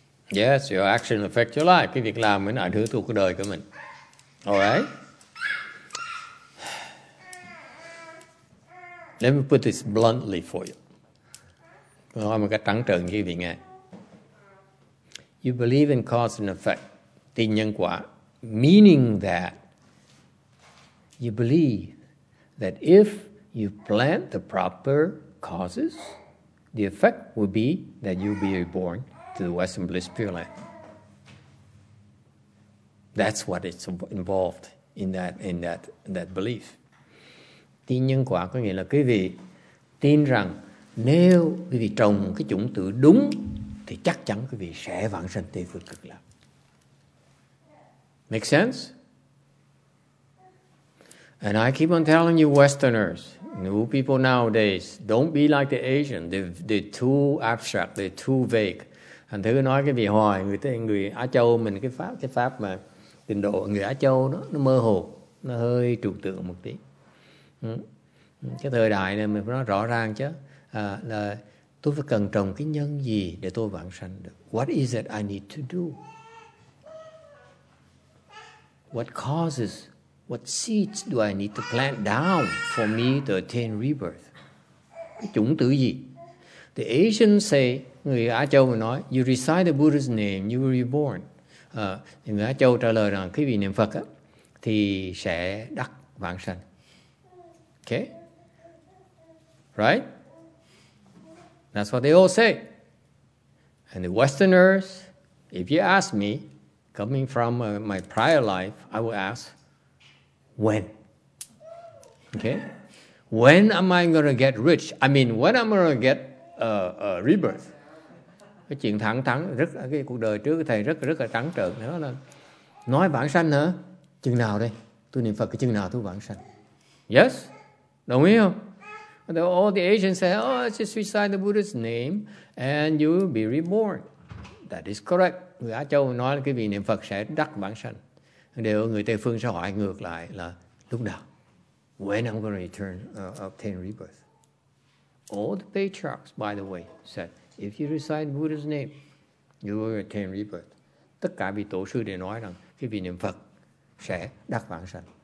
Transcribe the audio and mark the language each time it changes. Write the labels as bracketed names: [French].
[English] Yes, your action affect your life. [Vietnamese] Cái việc làm mình ảnh hưởng tới cuộc đời của mình. [English] All right. Let me put this bluntly for you. [Vietnamese] Nói một cách trắng trợn cho quý vị nghe. [English] You believe in cause and effect, [Vietnamese] tin nhân quả, [English] meaning that you believe that if you plant the proper causes, the effect will be that you'll be reborn to the Western Bliss Pure Land. That's what it's involved in that belief. [Vietnamese] Tin nhân quả có nghĩa là quý vị tin rằng nếu quý vị trồng cái chủng tử đúng thì chắc chắn quý vị sẽ vãng sanh Tây phương cực lạc. [English] Make sense? And I keep on telling you Westerners, new people nowadays, don't be like the Asian. They're too abstract, they're too vague. [Vietnamese] Thành thử nói cái vị hoài người Á Châu mình cái pháp mà tình độ người Á Châu nó mơ hồ, nó hơi trừu tượng một tí. Cái thời đại này mình nói rõ ràng chứ, là tôi phải cần trồng cái nhân gì để tôi vãng sanh được. [English] What is it I need to do? What causes, what seeds do I need to plant down for me to attain rebirth? [Vietnamese] Cái chủng tử gì? [English] The Asians say, [Vietnamese] người Á Châu mà nói, [English] you recite the Buddha's name, you will be born. [Vietnamese] Người Á Châu trả lời rằng, quý vị niệm Phật á, thì sẽ đắc vãng sanh. [English] Okay? Right? That's what they all say. And the Westerners, if you ask me, coming from my prior life, I will ask, when? Okay? When am I going to get rich? I mean, when am I going to get rebirth? [Vietnamese] Cái chuyện thẳng thắn rất cái cuộc đời trước của thầy rất là trắng trợn, nó là nói vãng sanh hả, chừng nào đây tôi niệm Phật, cái chừng nào tôi vãng sanh? Yes, đồng ý không? [English] And all the Asians say, oh, it's just recite the Buddha's name and you will be reborn. That is correct. [Vietnamese] Người Á Châu nói là cái vị niệm Phật sẽ đắc vãng sanh. Điều người Tây phương sẽ hỏi ngược lại là lúc nào? [English] When I'm going to return, obtain rebirth? All the patriarchs, by the way, said If you recite Buddha's name, you will attain rebirth. [Vietnamese] Tất cả vị tổ sư đều nói rằng khi vị niệm Phật sẽ đắc vãng sanh.